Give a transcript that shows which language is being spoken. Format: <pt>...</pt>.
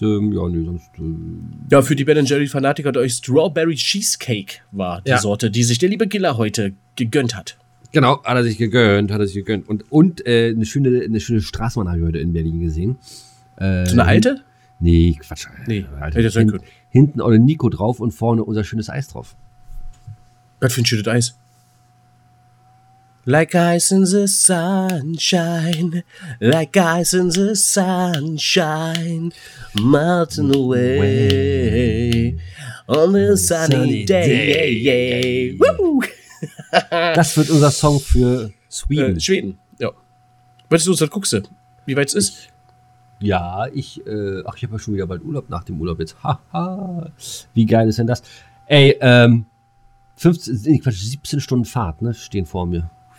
<de>ja, für die Ben & Jerry's Fanatiker durch Strawberry Cheesecake war die Sorte, die sich der liebe Giller heute gegönnt hat. Genau, hat er sich gegönnt. Und eine schöne Straßenbahn habe ich heute in Berlin gesehen. So eine alte? Nee, Quatsch. Nee, Alter, das ist gut. Hinten Olle Nico drauf und vorne unser schönes Eis drauf. Was für ein schönes Eis?</de> <en>Like ice in the sunshine, like ice in the sunshine, melting away on the sunny day. Woo!</en> <de>Das wird unser Song für Sweden. Schweden, ja. Weißt du, was guckst du? Wie weit es ist? Ja, ich habe ja schon wieder bald Urlaub nach dem Urlaub jetzt. Haha, wie geil ist denn das? Ey, 17 Stunden Fahrt, ne, stehen vor mir.</de>